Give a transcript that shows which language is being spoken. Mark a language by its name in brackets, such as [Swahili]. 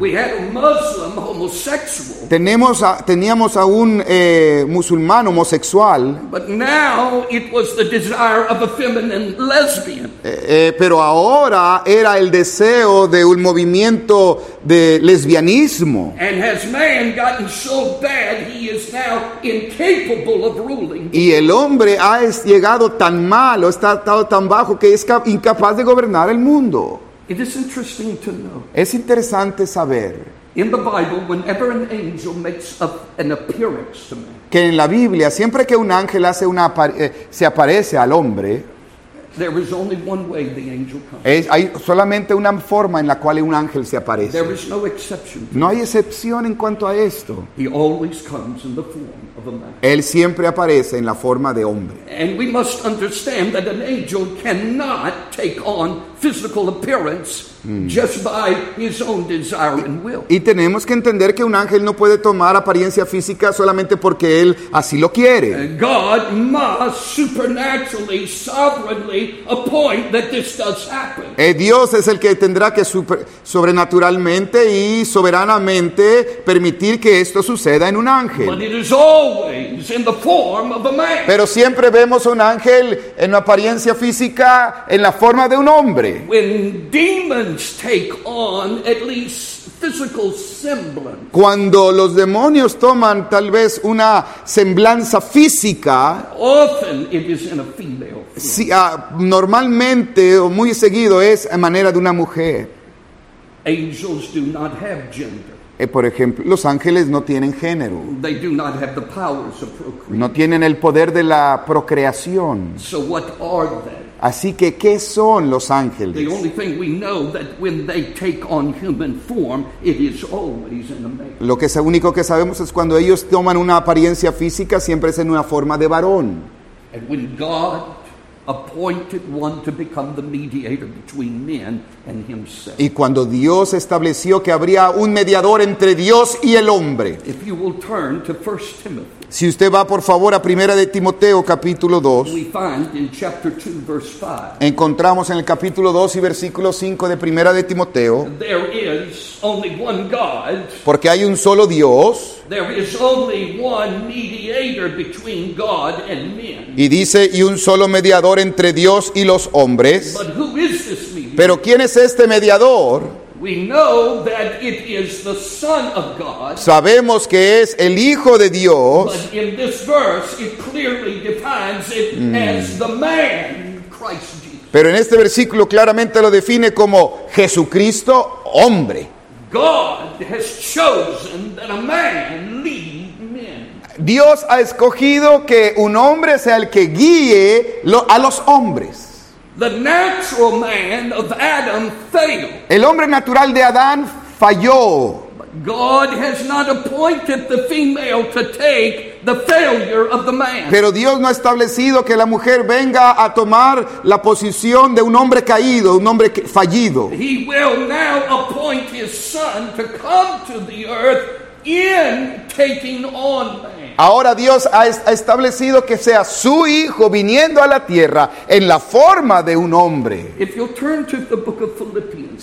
[English] We had a Muslim homosexual. [Spanish] Teníamos a un musulmán homosexual. [English] But now it was the desire of a feminine lesbian. [Spanish] Pero ahora era el deseo de un movimiento de lesbianismo. [English] And has man gotten so bad he is now incapable of ruling? [Spanish] Y el hombre ha llegado tan mal o está estado tan bajo que es incapaz de gobernar el mundo. [English] It is interesting to know. [Spanish] Es interesante saber. [English] In the Bible, whenever an angel makes an appearance to man, [Spanish] que en la Biblia siempre que un ángel hace una se aparece al hombre, [English] there is only one way the angel comes. [Spanish] Hay solamente una forma en la cual un ángel se aparece. [English] There is no exception. [Spanish] No hay excepción en cuanto a esto. [English] He always comes in the form of a man. [Spanish] Él siempre aparece en la forma de hombre. [English] And we must understand that an angel cannot take on physical appearance just by his own desire and will. [Spanish] Y tenemos que entender que un ángel no puede tomar apariencia física solamente porque él así lo quiere. [English] God must supernaturally, sovereignly appoint that this does happen. [Spanish] Dios es el que tendrá que sobrenaturalmente y soberanamente permitir que esto suceda en un ángel. [English] But it is always in the form of a man. [Spanish] Pero siempre vemos a un ángel en la apariencia física en la forma de un hombre. [English] When demons take on at least physical semblance. [Spanish] Cuando los demonios toman tal vez una semblanza física, [English] often it is in a female. [Spanish] Si, normalmente o muy seguido es a manera de una mujer. [English] Angels do not have gender. [Spanish] Por ejemplo, los ángeles no tienen género. [English] They do not have the powers of procreation. [Spanish] No tienen el poder de la procreación. [English] So what are they? [Spanish] Así que, ¿qué son los ángeles? [English] The only thing we know that when they take on human form, it is always in a man. [Spanish] Lo que es único que sabemos es cuando ellos toman una apariencia física, siempre es en una forma de varón. [English] And when God appointed one to become the mediator between men and himself. [Spanish] Y cuando Dios estableció que habría un mediador entre Dios y el hombre. [English] If you will turn to 1 Timothy. [Spanish] Si usted va, por favor, a Primera de Timoteo, capítulo 2. [English] We find in chapter 2, verse 5. [Spanish] Encontramos en el capítulo 2 y versículo 5 de Primera de Timoteo. [English] There is only one God. [Spanish] Porque hay un solo Dios. [English] There is only one mediator between God and men. [Spanish] Y dice, y un solo mediador entre Dios y los hombres. [English] But who is this mediator? [Spanish] Pero ¿quién es este mediador? [English] We know that it is the Son of God. [Spanish] Sabemos que es el Hijo de Dios. [English] But in this verse, it clearly defines it as the man, Christ Jesus. [Spanish] Pero en este versículo claramente lo define como Jesucristo, hombre. [English] God has chosen that a man lead. [Spanish] Dios ha escogido que un hombre sea el que guíe a los hombres. [English] The natural man of Adam failed. [Spanish] El hombre natural de Adán falló. [English] God has not appointed the female to take the failure of the man. [Spanish] Pero Dios no ha establecido que la mujer venga a tomar la posición de un hombre caído, un hombre fallido. [English] He will now appoint his son to come to the earth in taking on man. [Spanish] Ahora Dios ha establecido que sea su hijo viniendo a la tierra en la forma de un hombre. [English] If you'll turn to the book of Philippians,